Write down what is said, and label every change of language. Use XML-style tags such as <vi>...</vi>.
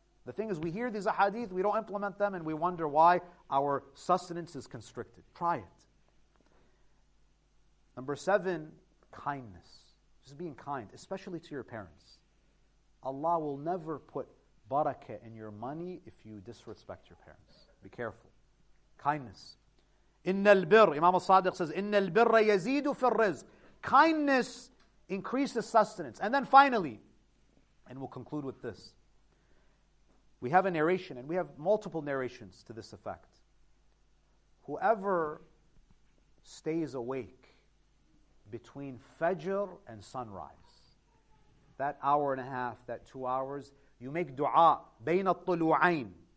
<en>The thing is, we hear these ahadith, we don't implement them, and we wonder why our sustenance is constricted. Try it. Number seven, kindness. Just being kind, especially to your parents. Allah will never put barakah in your money if you disrespect your parents. Be careful. Kindness.</en> <ar>إِنَّ الْبِرِّ</ar> <en>Imam al-Sadiq says,</en> <ar>إِنَّ الْبِرَّ يَزِيدُ فِي الرِّزْقِ</ar> <en>Kindness increases sustenance. And then finally, and we'll conclude with this. We have a narration, and we have multiple narrations to this effect. Whoever stays awake between Fajr and sunrise, that hour and a half, that 2 hours, you make dua,</en> <ar>بَيْنَ الطُّلُوعَيْنِ</ar>